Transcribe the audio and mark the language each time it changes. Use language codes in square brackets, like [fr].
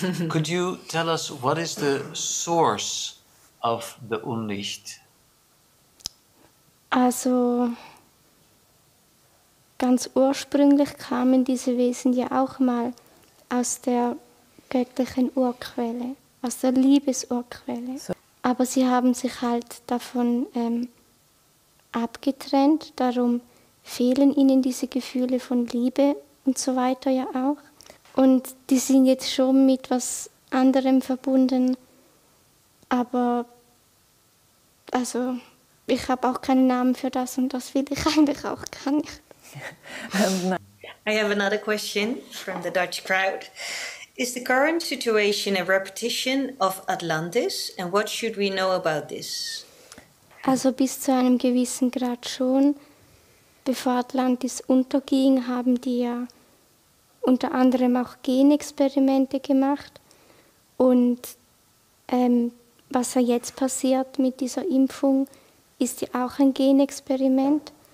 [en] Could you tell us, what is the source of the Unlicht? [de] Also, ganz ursprünglich kamen diese Wesen ja auch mal aus der göttlichen Urquelle, aus der Liebesurquelle. So. Aber sie haben sich halt davon abgetrennt, darum fehlen ihnen diese Gefühle von Liebe und so weiter ja auch. Und die sind jetzt schon mit was anderem verbunden, aber also ich habe auch keinen Namen für das und das will ich eigentlich auch gar nicht. [en] I have another question from the Dutch crowd. Is the current situation a repetition of Atlantis and what should we know about this? [de] Also bis zu einem gewissen Grad schon. Bevor Atlantis unterging, haben die ja unter anderem auch Genexperimente gemacht. Und was ja jetzt passiert mit dieser Impfung, ist ja auch ein Genexperiment.